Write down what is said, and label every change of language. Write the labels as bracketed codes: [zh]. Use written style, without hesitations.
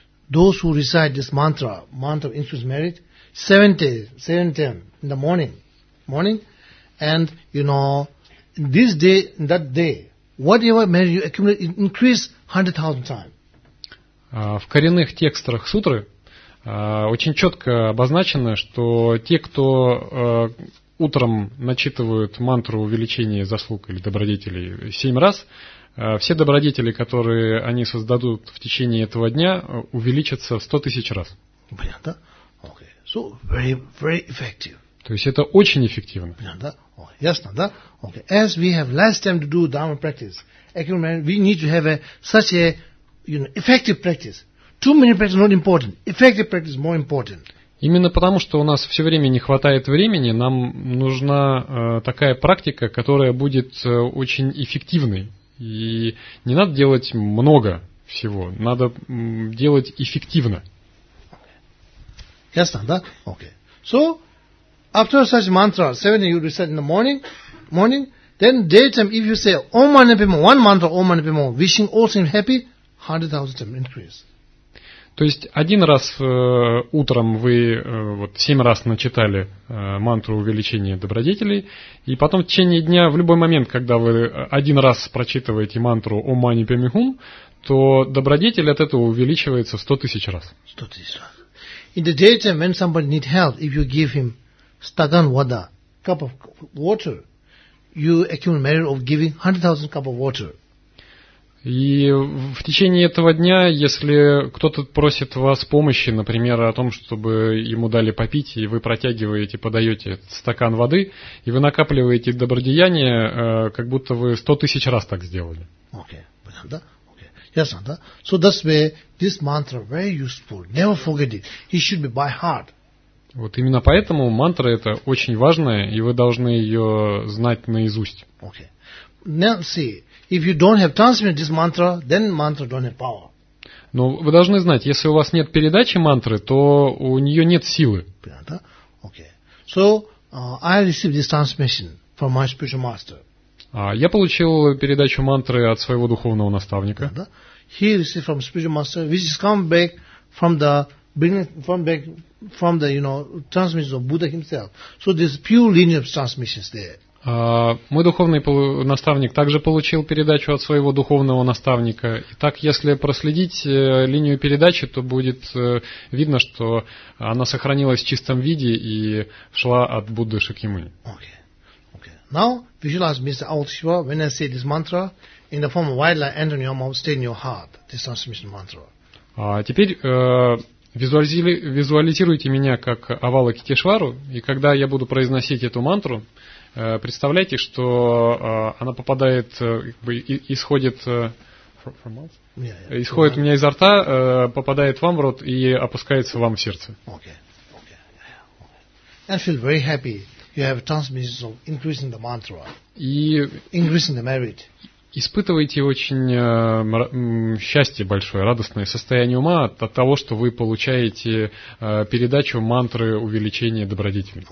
[en] Those who recite this mantra, mantra of increased merit, 7 times in the morning, and you know, this day, that day, whatever merit you accumulate, increase 100,000 times. [ru] В коренных текстах сутры очень четко обозначено, что те, кто утром начитывают мантру увеличения заслуг или добродетелей 7 раз, все добродетели, которые они создадут в течение этого дня, увеличатся в 100,000 раз. Понятно? [en] Okay. So very, very effective. [ru] То есть это очень эффективно. Понятно? Okay. Ясно, да? Okay. [en] As we have less time to do dharma practice, we need to have such a you know, effective practice. Too many practice not important. Effective practice more important. [ru] Именно потому, что у нас все время не хватает времени, нам нужна такая практика, которая будет очень эффективной. И не надо делать много всего, надо делать эффективно. Ясно, да? [en] Okay. So, after such mantra, 7 you recite in the morning, then daytime, if you say, Om Mani Padme Hum, one mantra, Om Mani Padme Hum, wishing all seem happy, 100,000 times increase. [ru] То есть, один раз утром вы вот 7 раз начитали мантру увеличения добродетелей, и потом в течение дня, в любой момент, когда вы один раз прочитываете мантру «Ом Мани Падме Хум», то добродетель от этого увеличивается в 100,000 раз. 100,000 раз. [en] In the daytime, when somebody needs help, if you give him [ru] stagan vada, [en] cup of water, you accumulate merit of giving 100,000 cup of water. [ru] И в течение этого дня, если кто-то просит вас помощи, например, о том, чтобы ему дали попить, и вы протягиваете, подаете стакан воды, и вы накапливаете добродеяние, как будто вы 100,000 раз так сделали. Окей, понятно, да? Окей, ясно, да? [en] So that's why this mantra very useful. Never forget it. It should be by heart. [ru] Вот именно поэтому мантра эта очень важная, и вы должны ее знать наизусть. [en] Окей. Now see. If you don't have transmit this mantra, then mantra don't have power. [ru] Но вы должны знать, если у вас нет передачи мантры, то у нее нет силы. Понятно? Okay. [en] So I received this transmission from my spiritual master. [ru] Я получил передачу мантры от своего духовного наставника. [en] He received from spiritual master, which is come back from the you know transmission of Buddha himself. So there's pure lineage transmissions there. [ru] Мой духовный наставник также получил передачу от своего духовного наставника. Итак, если проследить линию передачи, то будет видно, что она сохранилась в чистом виде и шла от Будды Шакьямуни. [en] Okay. Okay. Now, visualize Mr. Altshiva, when I say this mantra, in the form of wild light, enter your mouth, stay in your heart, this transmission mantra. [ru] Визуализируйте меня как Авалокитешвару, и когда я буду произносить эту мантру, представляйте, что она попадает, как бы, исходит у меня изо рта, попадает вам в рот и опускается вам в сердце. [en] And feel very happy you have transmission of increasing the mantra. Increasing the merit. [ru] Испытывайте очень счастье большое, радостное состояние ума от того, что вы получаете передачу мантры увеличения добродетелей.